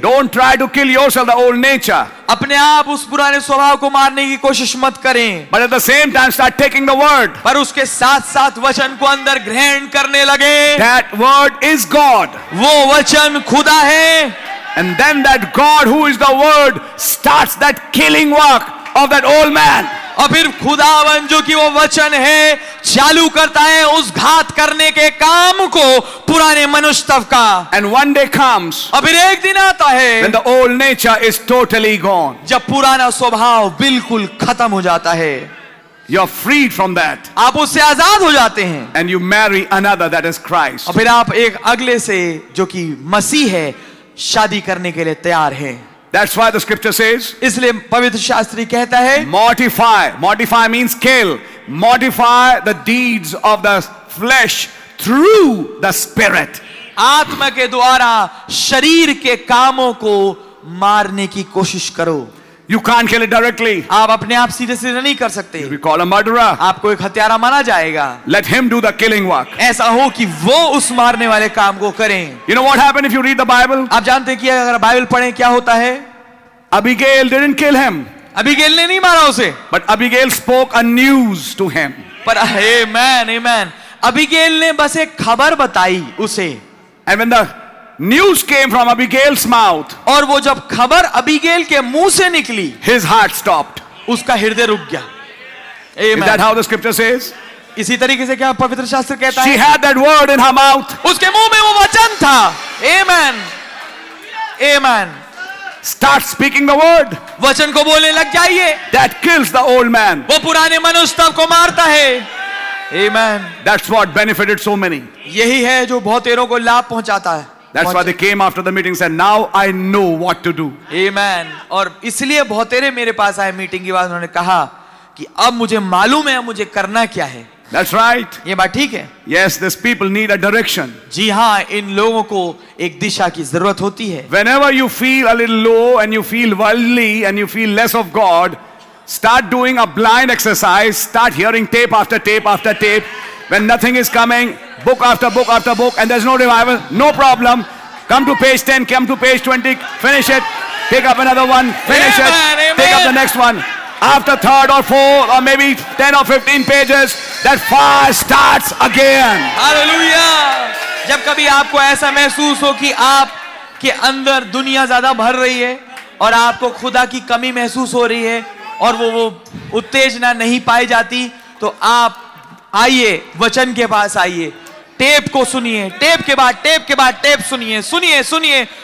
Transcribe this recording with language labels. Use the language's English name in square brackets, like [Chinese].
[English] Don't try to kill yourself, the old nature. [Hindi] अपने आप उस पुराने स्वभाव को मारने की कोशिश मत करें. [English] But at the same time, start taking the word. [Hindi] पर उसके साथ साथ वचन को अंदर ग्रहण करने लगे. [English] That word is God. [Hindi] वो वचन खुदा है. [English] And then that God, who is the word, starts that killing work of that old man. [Hindi] और फिर खुदावन, जो कि वो वचन है, चालू करता है उस घात करने के काम को पुराने मनुष्यत्व का. [English] And one day comes. [Hindi] और फिर एक दिन आता है. [English] When the old nature is totally gone. [Hindi] जब पुराना स्वभाव बिल्कुल खत्म हो जाता है. [English] You are freed from that. [Hindi] आप उससे आजाद हो जाते हैं. [English] And you marry another that is Christ. [Hindi] और फिर आप एक अगले से जो कि मसीह है शादी करने के लिए तैयार हैं. [English] That's why the scripture says. [Hindi] इसलिए पवित्र शास्त्री कहता है. [English] Mortify. Mortify means kill. Mortify the deeds of the flesh through the spirit. [Hindi] आत्मा के द्वारा शरीर के कामों को मारने की कोशिश करो. [English] You can't kill it directly. [Hindi] आप अपने आप सीधे सीधे नहीं कर सकते. [English] We call a murderer. [Hindi] आपको एक हत्यारा माना जाएगा. [English] Let him do the killing work. [Hindi] ऐसा हो कि वो उस मारने वाले काम को करें. [English] You know what happened if you read the Bible? [Hindi] आप जानते हैं कि अगर बाइबल पढ़ें क्या होता है? [English] Abigail didn't kill him. [Hindi] Abigail ने नहीं मारा उसे. [English] But Abigail spoke a news to him. [Hindi] पर amen, amen. अबिगेल ने बस एक खबर बताई उसे. [English] And when the news came from Abigail's mouth. [Hindi] और वो जब खबर अबिगेल के मुंह से निकली. [English] His heart stopped. [Hindi] उसका हृदय रुक गया. [English] Amen. Is that how the scripture says? [Hindi] इसी तरीके से क्या पवित्र शास्त्र कहता है? [English] She had that word in her mouth. [Hindi] उसके मुंह में वो वचन था. Amen. Amen. [English] Start speaking the word. [Hindi] वचन को बोलने लग जाइए. [English] That kills the old man. [Hindi] वो पुराने मनुष्य को मारता है. [English] Amen. That's what benefited so many. यही है जो बहुतों को लाभ पहुंचाता है. That's why they came after the meeting and said, "Now I know what to do." Amen. [Hindi] और इसलिए बहुतों ने मेरे पास आए मीटिंग के बाद उन्होंने कहा कि अब मुझे मालूम है मुझे करना क्या है. [English] That's right. [Hindi] ये बात ठीक है. [English] Yes, these people need a direction. [Hindi] जी हाँ, इन लोगों को एक दिशा की जरूरत होती है. [English] Whenever you feel a little low and you feel worldly and you feel less of God, start doing a blind exercise. Start hearing tape after tape after tape. When nothing is coming, book after book after book, and there's no revival, no problem. Come to page 10, come to page 20, finish it. Pick up another one, finish amen, it. Amen. Pick up the next one. After third or fourth or maybe 10 or 15 pages, that fire starts again. Hallelujah. [Hindi] जब कभी आपको ऐसा महसूस हो कि आपके अंदर दुनिया ज़्यादा भर रही है और आपको खुदा की कमी महसूस हो रही है और वो उत्तेजना नहीं पाई जाती, तो आप आइए वचन के पास, आइए टेप को सुनिए, टेप के बाद टेप सुनिए, सुनिए सुनिए.